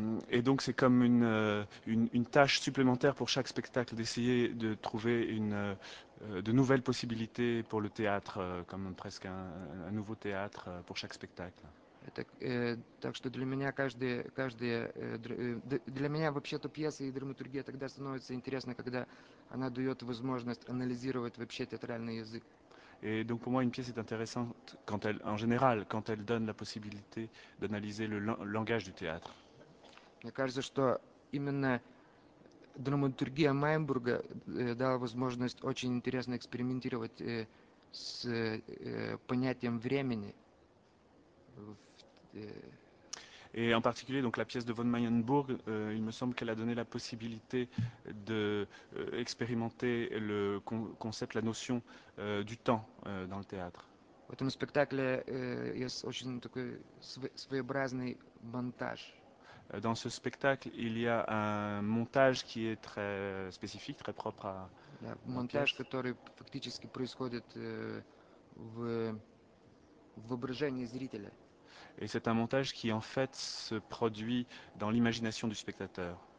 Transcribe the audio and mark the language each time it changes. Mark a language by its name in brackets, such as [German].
[French] Et donc c'est comme une tâche supplémentaire pour chaque spectacle d'essayer de trouver de nouvelles possibilités pour le théâtre, comme presque un nouveau théâtre pour chaque spectacle. [Russian] Так что для меня каждая для меня вообще-то пьеса и драматургия тогда становится интересна, когда она дает возможность анализировать вообще театральный язык. [French] Et donc pour moi une pièce est intéressante quand elle, en général, quand elle donne la possibilité d'analyser le langage du théâtre. [Russian] Мне кажется, что именно драматургия Майнбурга дала возможность очень интересно экспериментировать с понятием времени. [French] Et en particulier donc la pièce de von Mayenburg, il me semble qu'elle a donné la possibilité de expérimenter le concept, la notion du temps dans le théâtre. [Russian] В этом спектакле есть очень такой своеобразный монтаж. [French] Dans ce spectacle, il y a un montage qui est très spécifique, très propre à la pièce. [Russian] Монтаж, который фактически происходит в воображении зрителя. [French] Et c'est un montage qui en fait se produit dans l'imagination du spectateur.